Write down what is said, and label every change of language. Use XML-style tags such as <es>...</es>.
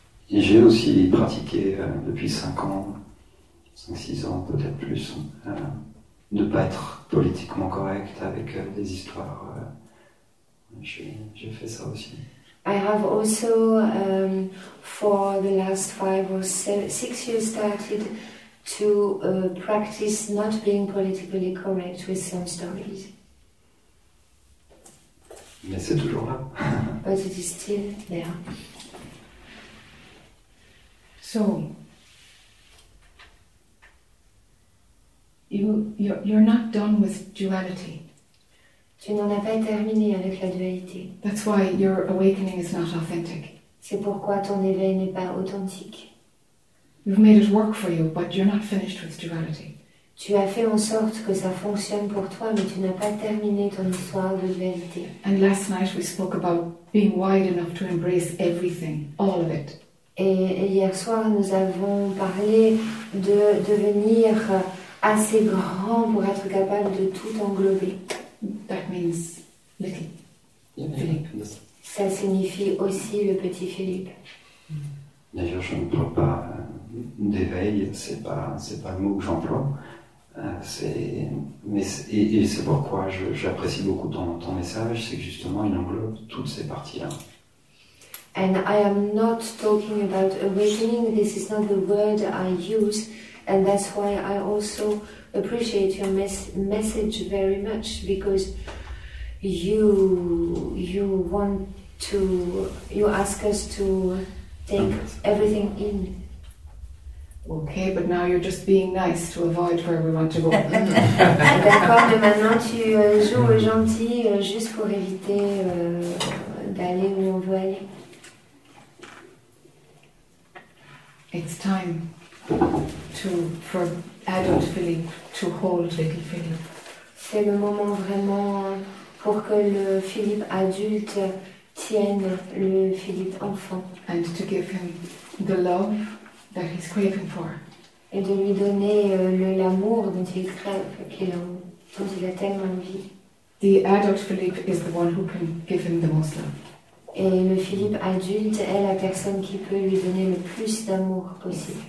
<fr>Et j'ai aussi pratiqué depuis 5 ans, 5-6 ans, peut-être plus, de ne pas être politiquement correct avec des histoires. J'ai fait ça aussi.</fr> <en>I have also, for the last 5 or 6 years, started to practice not being politically correct with some stories.</en> <fr>Mais c'est toujours là.</fr> <en>But it is still there. So, you're not done with duality.</en> <fr>Tu n'en as pas terminé avec la dualité.</fr> <en>That's why your awakening is not authentic.</en> <fr>C'est pourquoi ton éveil n'est pas authentique.</fr> <en>You've made it work for you, but you're not finished with duality.</en> <fr>Tu as fait en sorte que ça fonctionne pour toi, mais tu n'as pas terminé ton histoire de dualité.</fr> <en>And last night we spoke about being wide enough to embrace everything, all of it.</en> <fr>Et hier soir nous avons parlé de devenir assez grand pour être capable de tout englober.</fr> <en>That means little.</en> <fr>Ça signifie aussi le petit Philippe. D'ailleurs, je ne parle pas d'éveil. C'est pas le mot que j'emploie. Et c'est pourquoi j'apprécie beaucoup ton message, c'est que justement, il englobe toutes ces parties-là.</fr> <en>And I am not talking about awakening. This is not the word I use, and that's why I also appreciate your message very much, because you ask us to take everything in. Okay, but now you're just being nice to avoid where we want to go.</en> <fr>D'accord, mais maintenant tu joues gentil juste pour éviter d'aller où on veut aller.</fr> <en>It's time for adult Philippe to hold little Philippe.</en> <fr>C'est le moment vraiment pour que le Philippe adulte tienne le Philippe enfant.</fr> <en>And to give him the love that he's craving for.</en> <fr>Et de lui donner l'amour dont il crève, dont il a tellement envie.</fr> <en>The adult Philippe is the one who can give him the most love.</en> <fr>Et le Philippe adulte est la personne qui peut lui donner le plus d'amour possible.</fr>